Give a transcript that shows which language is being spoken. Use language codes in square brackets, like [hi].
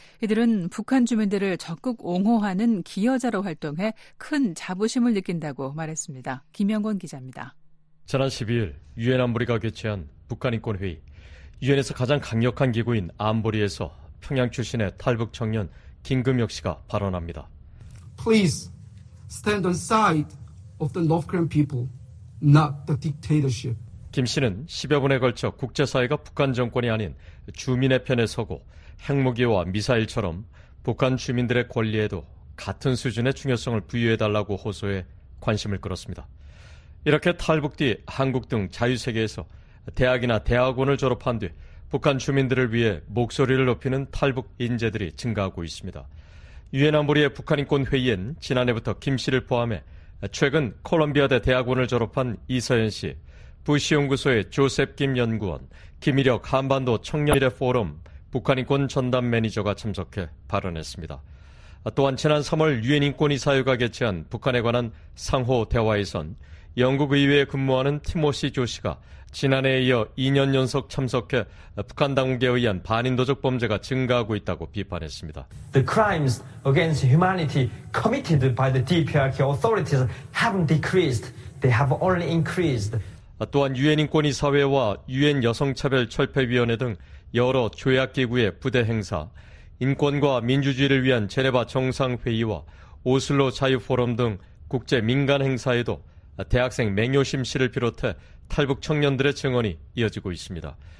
[ko] 이들은 북한 주민들을 적극 옹호하는 기여자로 활동해 큰 자부심을 느낀다고 말했습니다. 김영권 기자입니다. 지난 12일 유엔 안보리가 개최한 북한인권회의, 유엔에서 가장 강력한 기구인 안보리에서 평양 출신의 탈북 청년 김금혁 씨가 발언합니다. [en] Please stand on side of the North Korean people, not the dictatorship. [ko] 김 씨는 10여 분에 걸쳐 국제사회가 북한 정권이 아닌 주민의 편에 서고 핵무기와 미사일처럼 북한 주민들의 권리에도 같은 수준의 중요성을 부여해달라고 호소해 관심을 끌었습니다. 이렇게 탈북 뒤 한국 등 자유세계에서 대학이나 대학원을 졸업한 뒤 북한 주민들을 위해 목소리를 높이는 탈북 인재들이 증가하고 있습니다. 유엔 안보리의 북한인권회의엔 지난해부터 김 씨를 포함해 최근 콜롬비아대 대학원을 졸업한 이서연 씨, 부시연구소의 조셉 김 연구원, 김일혁 한반도 청년미래 포럼 북한인권 전담 매니저가 참석해 발언했습니다. 또한 지난 3월 유엔인권이사회가 개최한 북한에 관한 상호 대화에선 영국의회에 근무하는 티모시 조 씨가 지난해에 이어 2년 연속 참석해 북한 당국에 의한 반인도적 범죄가 증가하고 있다고 비판했습니다. [en] The crimes against humanity committed by the DPRK authorities haven't decreased. They have only increased. [ko] 또한 유엔 인권이사회와 유엔 여성차별 철폐위원회 등 여러 조약기구의 부대 행사, 인권과 민주주의를 위한 제네바 정상회의와 오슬로 자유포럼 등 국제 민간 행사에도 대학생 맹효심 씨를 비롯해 탈북 청년들의 증언이 이어지고 있습니다.